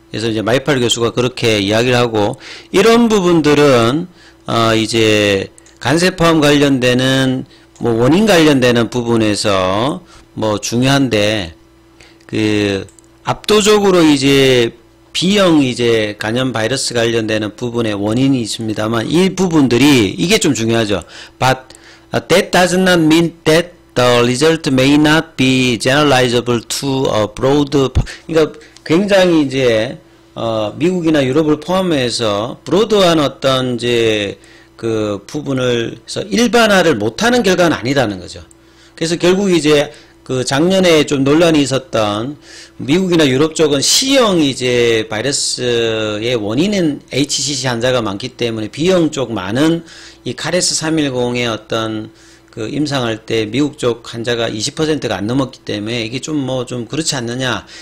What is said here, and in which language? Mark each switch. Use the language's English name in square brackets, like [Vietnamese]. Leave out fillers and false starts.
[Korean] 그래서 이제 마이팔 교수가 그렇게 이야기를 하고, 이런 부분들은 이제 간세포암 관련되는 뭐 원인 관련되는 부분에서 뭐 중요한데, 그 압도적으로 이제 B형 이제 간염 바이러스 관련되는 부분에 원인이 있습니다만, 이 부분들이 이게 좀 중요하죠. [English] But that does not mean that the result may not be generalizable to a broad. [Korean] 그러니까 굉장히 이제 미국이나 유럽을 포함해서 브로드한 어떤 이제 그 부분을서 일반화를 못하는 결과는 아니라는 거죠. 그래서 결국 이제 그 작년에 좀 논란이 있었던 미국이나 유럽 쪽은 C형 이제 바이러스의 원인은 HCC 환자가 많기 때문에 B형 쪽 많은 이 카레스 310의 어떤 그 임상할 때 미국 쪽 환자가 20%가 안 넘었기 때문에 이게 좀뭐좀뭐좀 그렇지 않느냐.